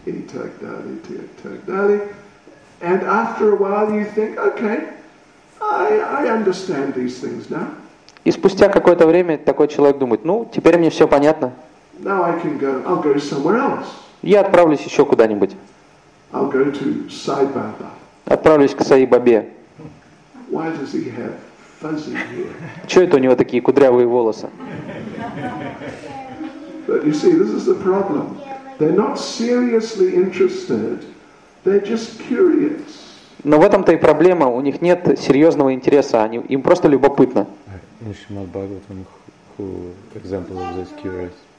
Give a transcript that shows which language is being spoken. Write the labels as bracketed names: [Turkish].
[English] And after a while you think, okay, I understand these things now. [Russian] И спустя какое-то время такой человек думает, теперь мне все понятно. [English] Now I can go, I'll go somewhere else. [Russian] Я отправлюсь еще куда-нибудь. [English] I'll go to Sai Baba. [Russian] Отправлюсь к Саи Бабе. [English] Why does he have fuzzy hair? [Russian] Че это у него такие кудрявые волосы? [English] But you see, this is the problem. They're not seriously interested. They're just curious. [Russian] Но в этом-то и проблема. У них нет серьезного интереса. Им просто любопытно. [English] In Srimad Bhagavatam, who example of this curious?